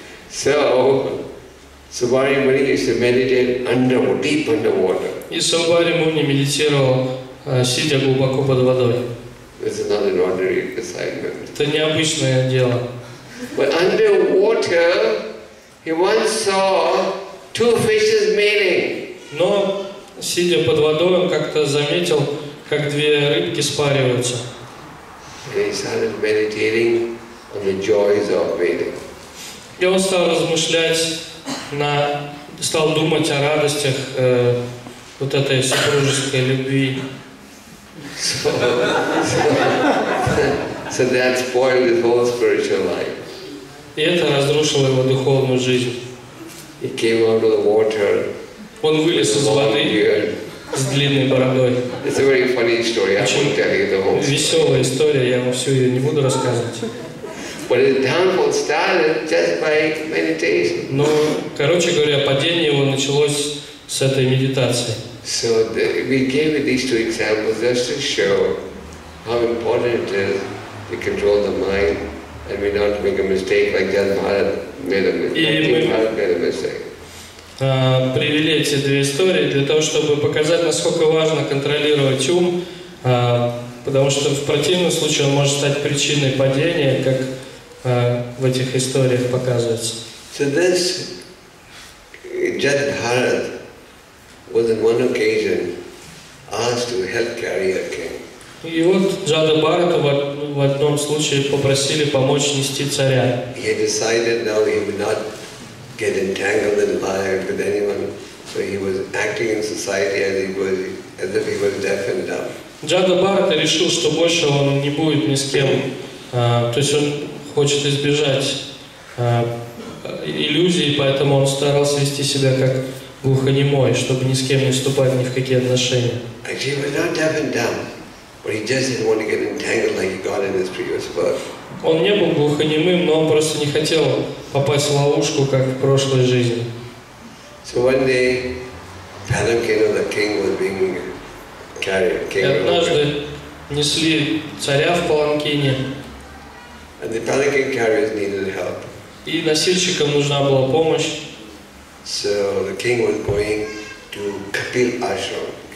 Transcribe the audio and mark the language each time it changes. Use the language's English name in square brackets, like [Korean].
[English] So, Subhari Muni used to meditate underwater, deep underwater. [Russian] И Субхари Муни медитировал, сидя глубоко под водой. [English] It's not an ordinary assignment. [Russian] Это необычное дело. [English] But underwater, he once saw two fishes mating. [Russian] Но, сидя под водой, он как-то заметил, как две рыбки спариваются. [English] And he started meditating on the joys of bathing. [Russian] И он стал размышлять, стал думать о радостях вот этой супружеской любви. [English] So that spoiled his whole spiritual life. [Russian] И это разрушило его духовную жизнь. [English] He came out of the water. [Russian] Он вылез из воды с длинной бородой. [English] It's a very funny story. I won't tell you the whole story. [Russian] Веселая история, я вам всю ее не буду рассказывать. [English] But his downfall started just by meditation. [Russian] Но, короче говоря, падение его началось с этой медитации. [English] So we gave you these two examples just to show how important it is to control the mind and we don't make a mistake like just Bharat made a mistake. [Russian] Привели эти две истории для того, чтобы показать, насколько важно контролировать ум, потому что в противном случае он может стать причиной падения, как в этих историях показывается. [English] So this Jadbharat was on one occasion asked to help carry a king. [Russian] И вот Джадабхарата в одном случае попросили помочь нести царя. [English] He decided now he would not get entangled in life with anyone, so he was acting in society as if he was deaf and dumb. [Russian] Джадабхарата решил, что больше он не будет ни с кем, то есть он хочет избежать иллюзий, поэтому он старался вести себя как глухонемой, чтобы ни с кем не вступать ни в какие отношения. [English] Actually, he was not deaf and dumb, but he just didn't want to get entangled like he got in his previous birth. [Russian] Он не был глухонемым, но он просто не хотел попасть в ловушку, как в прошлой жизни. [English] So one day, palanquin of the king was being carried. King [Russian] и однажды несли царя в паланкине. [English] And the palanquin carriers needed help. [Russian] И носильщикам нужна была помощь. [English] So the king was going to Kapil Ashram.